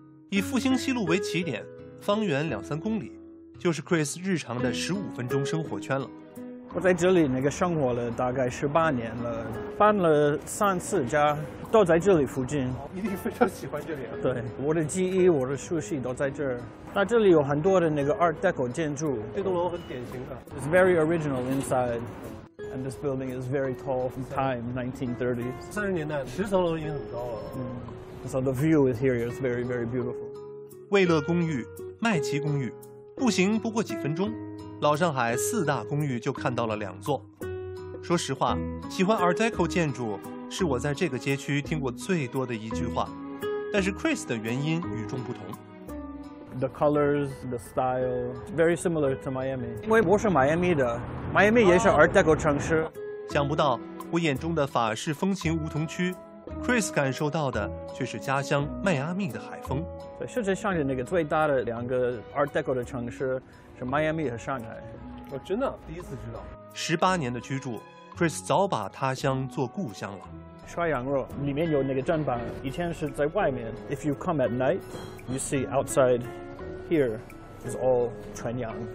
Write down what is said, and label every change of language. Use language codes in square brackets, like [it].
[zh] 以复兴西路为起点，方圆2-3公里就是 Chris 日常的15分钟生活圈了。我在这里那个生活了大概18年了，搬了3次家，都在这里附近。一定非常喜欢这里啊。对，我的记忆我的熟悉都在这儿。那这里有很多的那个 Art Deco 建筑，这栋楼很典型的。 [en] It's very original inside, and this building is very tall from time 1930s. [zh] 30年代，10层楼已经很高了。 [en] So the view is here is very very beautiful. [zh] 魏乐公寓、麦奇公寓，步行不过几分钟。老上海4大公寓就看到了2座。说实话，喜欢 Art Deco 建筑是我在这个街区听过最多的一句话，但是 Chris 的原因与众不同。 [en] The colors, the style, very similar to Miami. [zh] 因为我是 Miami 的， Miami 也是 Art Deco 城市。想不到我眼中的法式风情梧桐区， Chris 感受到的却是家乡迈阿密的海风。对，世界上的那个最大的2个 Art Deco 的城市是 Miami 和上海。我真的第一次知道。 18年的居住， Chris 早把他乡做故乡了。涮羊肉里面有那个砧板，以前是在外面。 [en] If you come at night, you see outside here is all 全羊。